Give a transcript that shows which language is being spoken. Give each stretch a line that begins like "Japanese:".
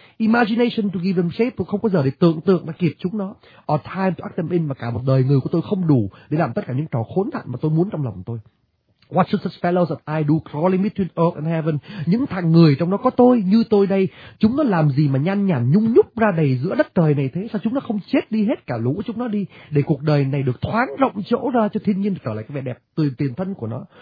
English: Imagination to give them shape,
Vietnamese: tôi không có giờ để tưởng tượng mà kịp chúng nó.
English: Or time to act them in,
Vietnamese: mà cả một đời người của tôi không đủ để làm tất cả những trò khốn nạn mà tôi muốn trong lòng tôi.
English: What should such fellows that I do crawling between earth and heaven?
Vietnamese: Những thằng người trong đó có tôi, như tôi đây, chúng nó làm gì mà nhan nhản nhung nhúc ra đầy giữa đất trời này thế? Sao chúng nó không chết đi hết cả lũ chúng nó đi, để cuộc đời này được thoáng rộng chỗ ra cho thiên nhiên trở lại cái vẻ đẹp từ tiền thân của nó.